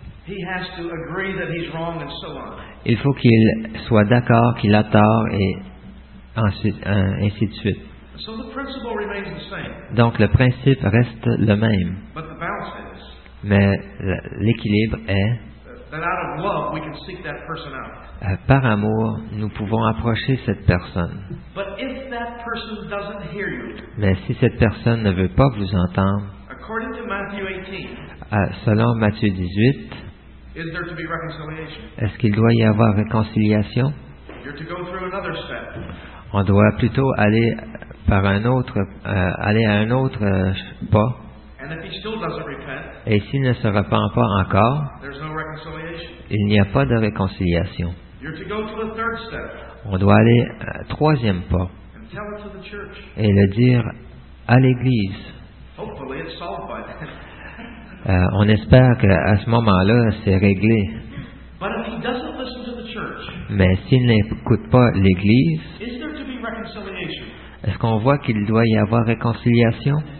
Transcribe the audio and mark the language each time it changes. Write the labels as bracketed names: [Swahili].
[English] He has to agree that he's wrong and so on. [French] Il faut qu'il soit d'accord qu'il a tort et ensuite, ainsi de suite. [English] So the principle remains the same. [French] Donc, le principe reste le même. [English] But the balance is, [French] mais l'équilibre est [English] that out of love we can seek that person out. [French] Par amour, nous pouvons approcher cette personne. [English] But if that person doesn't hear you, [French] mais si cette personne ne veut pas vous entendre, [English] according to Matthew 18, [French] selon Matthieu 18, [English] is there to be reconciliation? [French] Est-ce qu'il doit y avoir réconciliation? [English] You're to go through another step. [French] On doit plutôt aller par un autre, aller à un autre pas. [English] And if he still doesn't repent, [French] et s'il ne se repent pas encore, [English] there's no reconciliation. [French] Il n'y a pas de réconciliation. [English] You're to go to a third step. [French] On doit aller à un troisième pas [English] and tell it to the church. [French] Et le dire à l'Église. [English] Hopefully it's solved by then. [French] On espère qu'à ce moment-là, c'est réglé. [English] But if he doesn't listen to the church, [French] mais s'il n'écoute pas l'Église, [English] is there to be reconciliation? [French] Est-ce qu'on voit qu'il doit y avoir réconciliation?